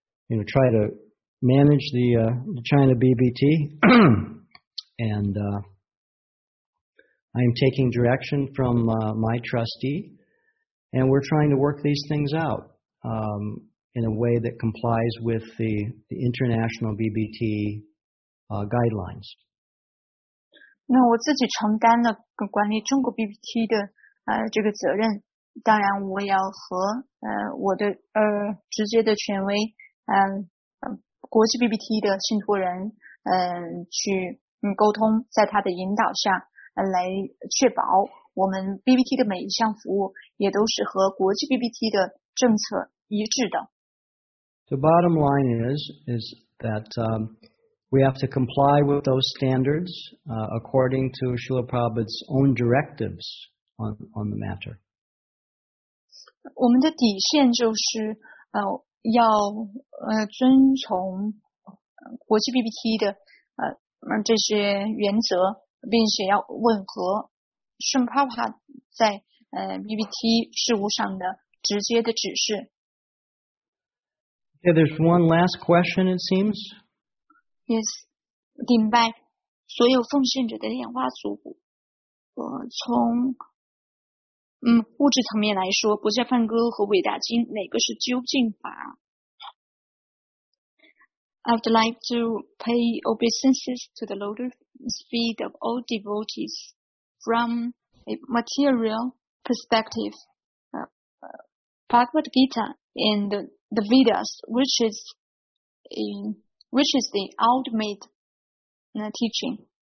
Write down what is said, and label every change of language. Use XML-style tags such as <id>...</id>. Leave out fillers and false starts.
<en>Try to manage the China BBT, and I'm taking direction from my trustee, and we're trying to work these things out in a way that complies with the international BBT guidelines.</en> <zh>那我自己承担了管理中国 BBT 的这个责任，当然我要和我的直接的权威。国际 BBT 的信托人去沟通，在他的引导下来确保我们 BBT 的每一项服务也都是和国际 BBT 的政策一致的。</zh> <en>The bottom line is that we have to comply with those standards according to Srila Prabhupada's own directives on the matter.</en> <zh>我们的底线就是要遵从国际 BBT 的这些原则，并且要吻合圣帕帕在BBT 事务上的直接的指示。</zh> <en>Okay, there's one last question, it seems.</en> <zh>Yes, 顶拜所有奉献者的莲花组骨，从物质层面来说，不再梵歌和伟大经哪个是究竟法？</zh> <en>I would like to pay obeisances to the lotus feet of all devotees from a material perspective, Bhagavad Gita in the Vedas, which is the ultimate teaching.</en>